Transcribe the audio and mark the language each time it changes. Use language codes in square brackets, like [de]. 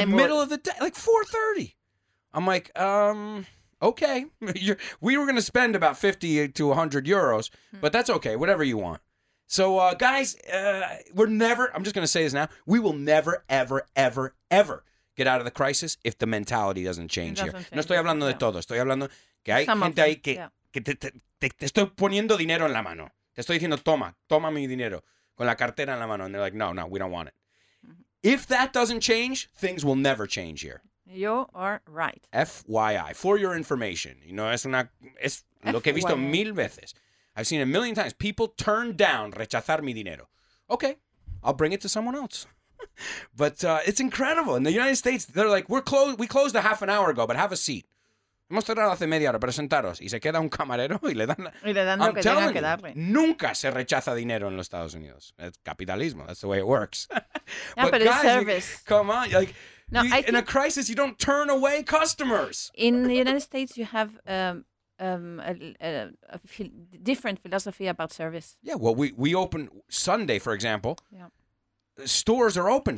[en] in the middle of the day, like 4:30. I'm like, okay. We were going to spend about 50 to 100 euros, but that's okay, whatever you want. So, guys, I'm just going to say this now, we will never, ever, ever, ever get out of the crisis if the mentality doesn't change here. Change. [es] No estoy hablando de todo, estoy hablando que hay gente ahí que te estoy poniendo dinero en la mano. Te estoy diciendo, toma mi dinero, con la cartera en la mano. [en] And they're like, no, we don't want it. [es] Mm-hmm. [en] If that doesn't change, things will never change here. You are right. FYI, for your information. You know, [es] es lo que he visto mil veces. [en] I've seen a million times people turn down [es] rechazar mi dinero. [en] Okay, I'll bring it to someone else. But it's incredible. In the United States, they're like, we closed a half an hour ago, but have a seat. [es] Hemos cerrado hace media hora para sentaros. Y se queda un camarero y le dan lo que tenga que darle. Nunca se rechaza dinero en los Estados Unidos. [en] It's capitalismo. That's the way it works. Yeah, but guys, it's service. Come on. Like, no, in a crisis, you don't turn away customers. In the United States, you have different philosophy about service. Yeah, well, we open Sunday, for example. Yeah. Stores are open.